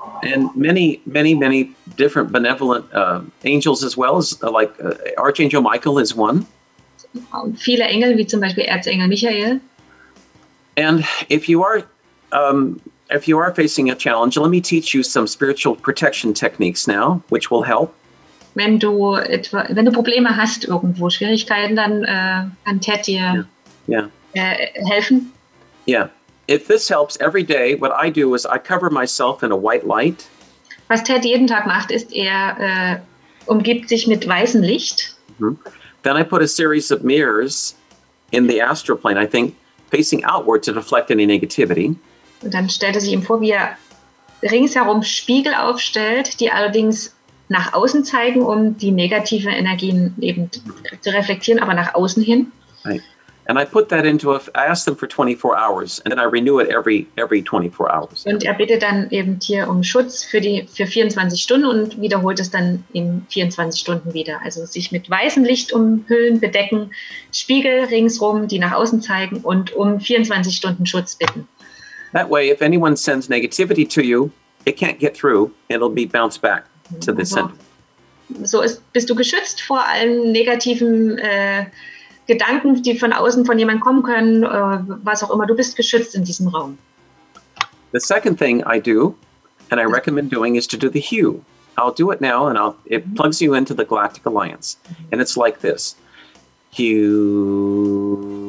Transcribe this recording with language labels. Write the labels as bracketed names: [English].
[English] And many, many, many different benevolent angels as well, like Archangel Michael is one. [German] Viele Engel, wie zum Beispiel Erzengel Michael. [English] And if you are facing a challenge, let me teach you some spiritual protection techniques now, which will help. [German] Wenn du Probleme hast irgendwo, Schwierigkeiten, dann kann Ted dir helfen. Yeah. [English] If this helps every day, what I do is I cover myself in a white light. [German] Was Ted jeden Tag macht, ist umgibt sich mit weißem Licht. Mm-hmm. [English] Then I put a series of mirrors in the astral plane, I think, facing outward to deflect any negativity. [German] Und dann stellt er sich ihm vor, wie er ringsherum Spiegel aufstellt, die allerdings nach außen zeigen, um die negativen Energien eben zu reflektieren, aber nach außen hin. Right. [English] And I put that into I ask them for 24 hours and then I renew it every 24 hours. [German] Und er bittet dann eben hier um Schutz für 24 Stunden und wiederholt es dann in 24 Stunden wieder. Also sich mit weißem Licht umhüllen, bedecken, Spiegel ringsrum, die nach außen zeigen und um 24 Stunden Schutz bitten. [English] That way if anyone sends negativity to you, it can't get through, it'll be bounced back to the center. [German] So bist du geschützt vor allen negativen Gedanken, die von außen von jemandem kommen können, was auch immer, du bist geschützt in diesem Raum. [English] The second thing I do, and I recommend doing, is to do the Hue. I'll do it now, and it plugs you into the Galactic Alliance. And it's like this. Hue.